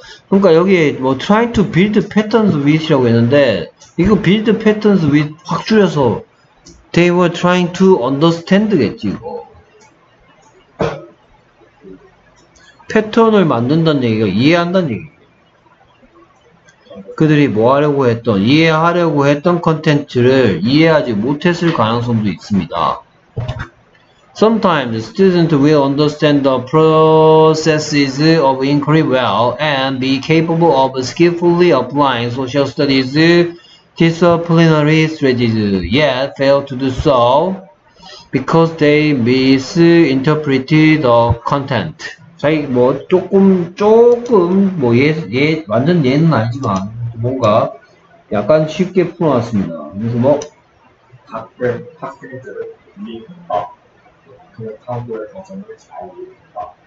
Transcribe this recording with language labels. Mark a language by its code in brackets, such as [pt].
[ko] 그러니까 여기에 뭐 [en] try to build patterns with [ko] 이라고 했는데 이거 [en] build patterns with [ko] 확 줄여서 [en] they were trying to understand [ko] 겠지 이거. 패턴을 만든다는 얘기가 이해한다는 얘기. 그들이 뭐 하려고 했던, 이해하려고 했던 컨텐츠를 이해하지 못했을 가능성도 있습니다. [en] Sometimes students will understand the processes of inquiry well and be capable of skillfully applying social studies disciplinary strategies, yet fail to do so because they misinterpret the content. [ko] 자기 뭐 조금 뭐 예 완전 예는 아니지만 뭔가 약간 쉽게 풀어놨습니다. 그래서 뭐 학생들은 이미 한다. 그냥 탐구의 과정을 잘 이해한다.